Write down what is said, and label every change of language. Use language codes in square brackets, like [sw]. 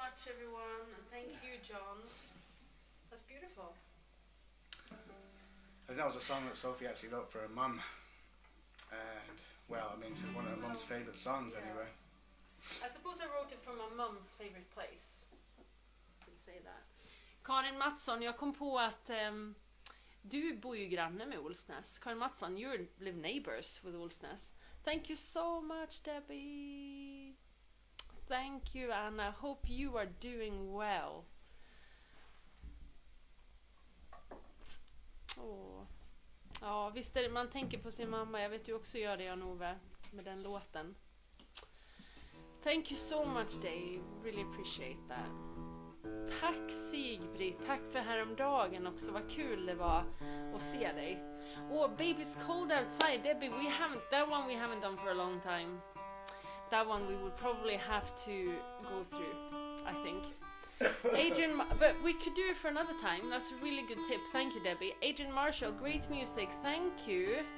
[en] everyone, and thank you, John. That's beautiful. I think that was a song that Sophie actually wrote for her mum. And, well, I mean, it's one of her mum's favourite songs, anyway. I suppose I wrote it from my mum's favourite place. I can say that. [sv] Karin Mattsson, jag kom på att du bor ju granne med Olsnäs. [en] Karin Mattsson, you live neighbors with Olsnäs. Thank you so much, Debbie. Thank you, Anna. Hope you are doing well. Åh. [sv] Ja, visst är det, man tänker på sin mamma. Jag vet du också gör det, Jan-Ove, med den låten. [en] Thank you so much, Dave. Really appreciate that. [sv] Tack Sigbrit, tack för häromdagen också. Vad kul det var att se dig. [en] Oh, baby's cold outside, Debbie. We haven't, that one we haven't done for a long time. That one we would probably have to go through, I think. Adrian, but we could do it for another time. That's a really good tip. Thank you, Debbie. Adrian Marshall, great music. Thank you.